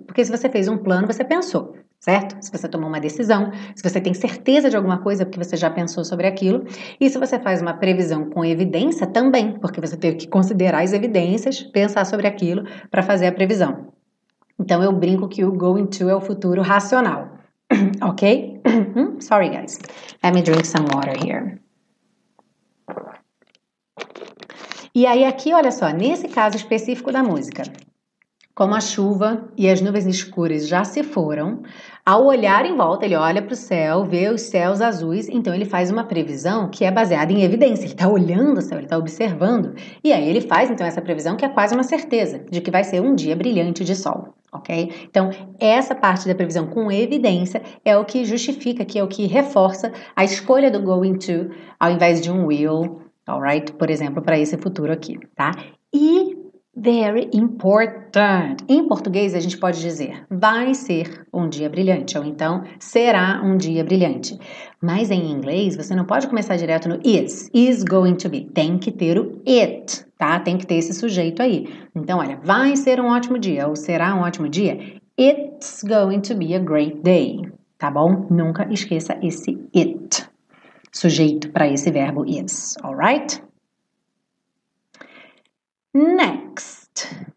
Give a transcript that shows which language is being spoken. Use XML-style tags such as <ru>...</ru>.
<pt>Porque se você fez um plano, você pensou. Certo? Se você tomou uma decisão, se você tem certeza de alguma coisa porque você já pensou sobre aquilo, e se você faz uma previsão com evidência também, porque você teve que considerar as evidências, pensar sobre aquilo para fazer a previsão. Então eu brinco que o going to é o futuro racional, ok?</pt> <en>Sorry guys, let me drink some water here.</en> <pt>E aí aqui, olha só, nesse caso específico da música, Como a chuva e as nuvens escuras já se foram, ao olhar em volta, ele olha para o céu, vê os céus azuis, então ele faz uma previsão que é baseada em evidência. Ele está olhando o céu, ele está observando. E aí ele faz, então, essa previsão que é quase uma certeza de que vai ser um dia brilhante de sol. Okay? Então, essa parte da previsão com evidência é o que justifica, que é o que reforça a escolha do going to ao invés de um will, all right? Por exemplo, para esse futuro aqui, tá? E</pt> <en>very important.</en> <pt>Em português, a gente pode dizer vai ser um dia brilhante, ou então será um dia brilhante. Mas em inglês, você não pode começar direto no is going to be. Tem que ter o it, tá? Tem que ter esse sujeito aí. Então, olha, vai ser um ótimo dia, ou será um ótimo dia?</pt> <en>It's going to be a great day, tá bom?</en> <pt>Nunca esqueça esse it, sujeito para esse verbo is, all right?</pt> <en>Next.</en>